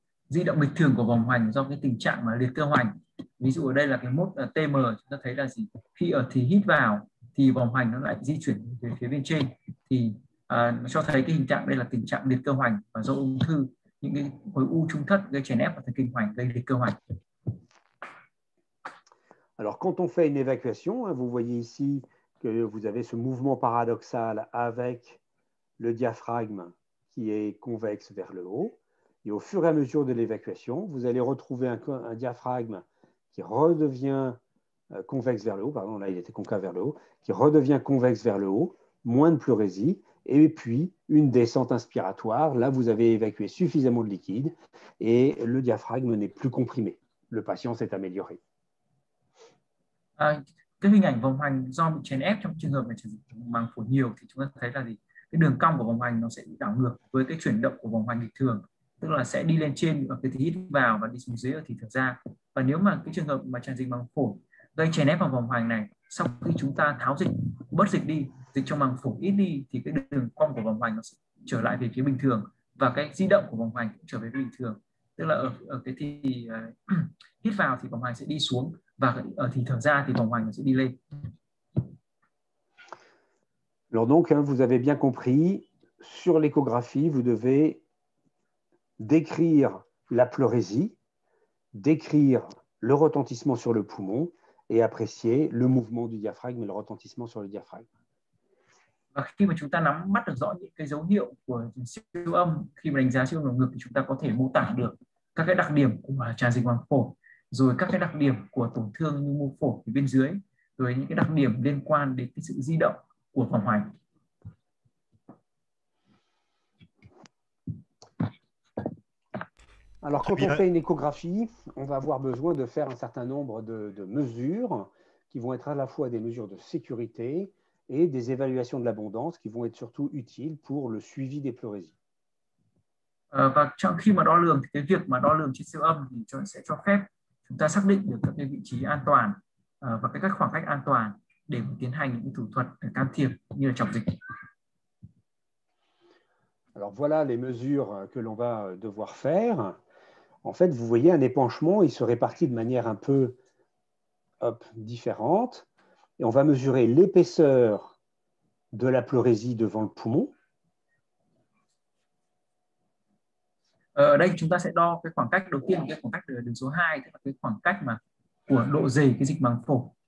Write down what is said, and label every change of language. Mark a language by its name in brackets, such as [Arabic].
[Vietnamese] Di động bình thường của vòng hoành do cái tình trạng mà liệt cơ hoành. Ví dụ ở đây là cái mốt TM chúng ta thấy là gì? Khi ở thì hít vào thì vòng hoành nó lại di chuyển về phía bên trên thì nó cho thấy cái hình trạng đây là tình trạng liệt cơ hoành và do ung thư những cái khối u trung thất gây chèn ép vào thần kinh hoành gây liệt cơ hoành. [French] Alors quand on fait une évacuation, hein, vous voyez ici que vous avez ce mouvement paradoxal avec le diaphragme qui est convexe vers le haut. Et au fur et à mesure de l'évacuation, vous allez retrouver un diaphragme qui redevient convexe vers le haut, pardon, là il était concave vers le haut, qui redevient convexe vers le haut, moins de pleurésie, et puis une descente inspiratoire. Là, vous avez évacué suffisamment de liquide et le diaphragme n'est plus comprimé. Le patient s'est amélioré. [Vietnamese] Cái hình ảnh vòng hoành do bị chèn ép trong trường hợp mà màng phổi nhiều thì chúng ta thấy là gì? Cái đường cong của vòng hoành nó sẽ bị đảo ngược với cái chuyển động của vòng hoành bình thường. Tức là sẽ đi lên trên ở cái thì hít vào và đi xuống dưới ở thì thở ra. Và nếu mà cái trường hợp mà tràn dịch màng phổi gây chèn ép vào vòng hoành này, sau khi chúng ta tháo dịch, bớt dịch đi, dịch trong màng phổi ít đi, thì cái đường cong của vòng hoành nó sẽ trở lại về phía bình thường và cái di động của vòng hoành cũng trở về bình thường. Tức là ở cái thì hít vào thì vòng hoành sẽ đi xuống và ở thì thở ra thì vòng hoành nó sẽ đi lên. [French] Alors donc, hein, vous avez bien compris, sur l'échographie, vous devez décrire la pleurésie, décrire le retentissement sur le poumon et apprécier le mouvement du diaphragme et le retentissement sur le diaphragme. [Vietnamese] Và khi mà chúng ta nắm bắt được rõ những cái dấu hiệu của siêu âm, khi mà đánh giá siêu âm lồng ngực thì chúng ta có thể mô tả được các cái đặc điểm của tràn dịch màng phổi, rồi các cái đặc điểm của tổn thương như mô phổi bên dưới, rồi những cái đặc điểm liên quan đến cái sự di động của vòng hoành. [French] Alors, quand on fait une échographie, on va avoir besoin de faire un certain nombre de mesures qui vont être à la fois des mesures de sécurité et des évaluations de l'abondance qui vont être surtout utiles pour le suivi des pleurésies. [Vietnamese] Và trong khi mà đo lường, thì cái việc mà đo lường trên siêu âm thì sẽ cho phép chúng ta xác định được các cái vị trí an toàn và các khoảng cách an toàn để tiến hành những thủ thuật can thiệp như là chọc dịch. [French] Alors voilà les mesures que l'on va devoir faire. En fait, vous voyez un épanchement, il se répartit de manière un peu différente. Et on va mesurer l'épaisseur de la pleurésie devant le poumon. [Vietnamese] Ở đây chúng ta sẽ đo cái khoảng cách đầu tiên, cái khoảng cách đường số 2, tức là cái khoảng cách mà của độ dày cái dịch màng phổi.